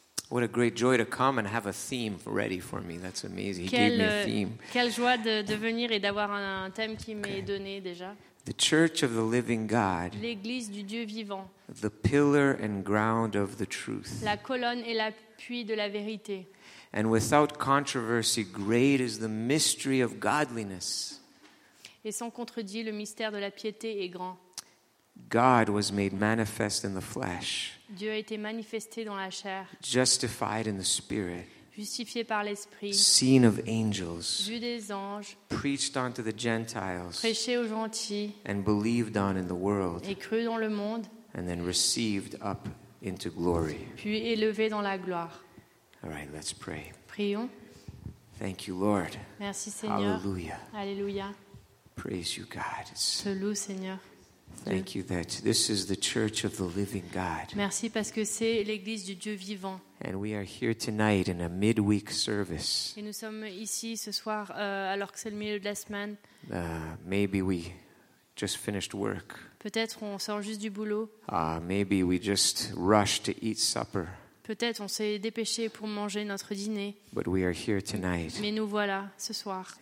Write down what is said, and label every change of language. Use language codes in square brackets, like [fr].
[en] What a great joy to come and have a theme ready for me. That's amazing. He gave me a theme. [fr] Quelle joie de venir et d'avoir un thème qui m'est donné déjà. [en] The Church of the Living God. [fr] L'église du Dieu vivant. [en] The pillar and ground of the truth. [fr] La colonne et l'appui de la vérité. [en] And without controversy, great is the mystery of godliness. [fr] Et sans contredit, le mystère de la piété est grand. [en] God was made manifest in the flesh. [fr] Dieu a été manifesté dans la chair. [en] Justified in the spirit. [fr] Justifié par l'esprit. [en] Seen of angels. [fr] Vu des anges. [en] Preached unto the Gentiles. [fr] Prêché aux gentils. [en] And believed on in the world. [fr] Et cru dans le monde. [en] And then received up into glory. [fr] Puis élevé dans la gloire. [en] All right, let's pray. [fr] Prions. [en] Thank you, Lord. [fr] Merci, Seigneur. [en] Hallelujah. [fr] Alléluia. [en] Praise you, God. [fr] Te loue, Seigneur. [en] Thank you that this is the church of the living God. [fr] Merci parce que c'est l'église du Dieu vivant. [en] And we are here tonight in a midweek service. [fr] Et nous sommes ici ce soir alors que c'est le milieu de la semaine. [en] Maybe we just finished work. [fr] Peut-être on sort juste du boulot. [en] Maybe we just rushed to eat supper. [fr] Peut-être on s'est dépêché pour manger notre dîner. Mais nous voilà ce soir.